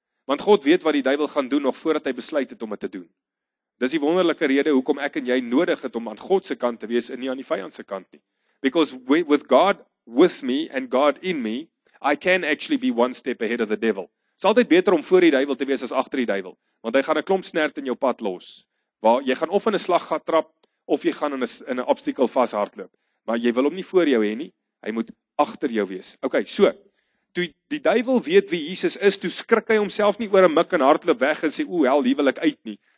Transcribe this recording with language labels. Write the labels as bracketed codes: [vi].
[af] Want God weet wat die duivel gaan doen, nog voordat hy besluit het om het te doen. Dis die wonderlike rede, hoekom ek en jy nodig het om aan Godse kant te wees, en nie aan die vyandse kant nie. [en] Because with God with me, and God in me, I can actually be one step ahead of the devil. [af] Het is altyd beter om voor die duivel te wees as achter die duivel, want hy gaan 'n klomp snert in jou pad los, waar jy gaan of in 'n slaggat trap, of jy gaan in 'n obstakel vashardloop, maar jy wil hom nie voor jou hê nie, hy moet achter jou wees. Ok, so, toe die duivel weet wie Jesus is, toe skrik hy homself nie oor 'n mik en hardloop weg en sê, o, hel, hier wil ek uit nie.